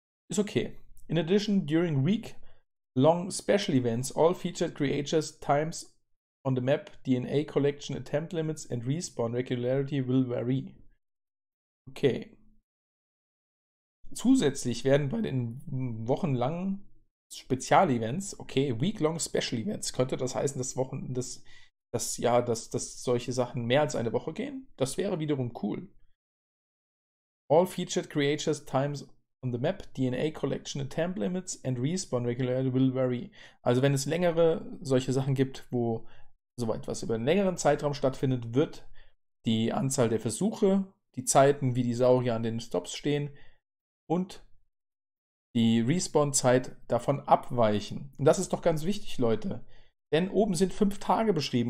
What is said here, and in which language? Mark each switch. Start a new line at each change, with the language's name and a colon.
German: Ist okay.
English: In addition, during week-long special events, all featured creatures, times on the map, DNA collection, attempt limits and respawn regularity will vary. Okay.
German: Zusätzlich werden bei den wochenlangen Spezialevents, okay, week-long Special Events, könnte das heißen, dass Wochen, dass solche Sachen mehr als eine Woche gehen? Das wäre wiederum cool.
English: All featured creatures, times on the map, DNA collection, attempt limits and respawn regularity will vary.
German: Also wenn es längere solche Sachen gibt, wo so etwas über einen längeren Zeitraum stattfindet, wird die Anzahl der Versuche, die Zeiten, wie die Saurier an den Stops stehen und die Respawn-Zeit davon abweichen. Und das ist doch ganz wichtig, Leute. Denn oben sind 5 Tage beschrieben.